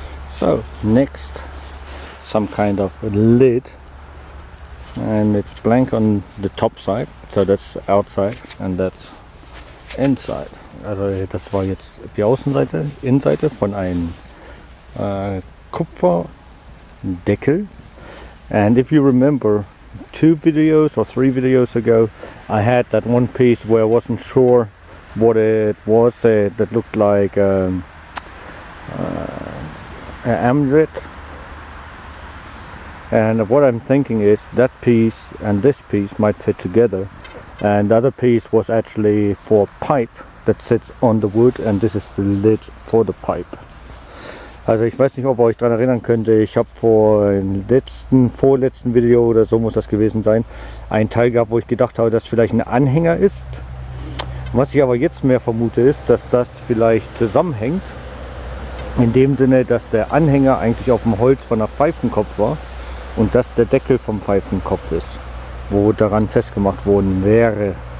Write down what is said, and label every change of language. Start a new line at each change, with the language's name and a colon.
English: So, next, some kind of lid, and it's blank on the top side, so that's outside, and that's inside.
German: Also, das war jetzt die Außenseite, Innenseite von einem Kupferdeckel.
English: And if you remember, 2 videos or 3 videos ago, I had that one piece where I wasn't sure what it was, that looked like an amulet, and what I'm thinking is that piece and this piece might fit together, and the other piece was actually for a pipe that sits on the wood, and this is the lid for the pipe.
German: Also ich weiß nicht, ob ihr euch daran erinnern könnt, ich habe vorletzten Video oder so muss das gewesen sein, einen Teil gehabt, wo ich gedacht habe, dass vielleicht ein Anhänger ist. Was ich aber jetzt mehr vermute, ist, dass das vielleicht zusammenhängt. In dem Sinne, dass der Anhänger eigentlich auf dem Holz von einem Pfeifenkopf war und das der Deckel vom Pfeifenkopf ist, wo daran festgemacht worden wäre.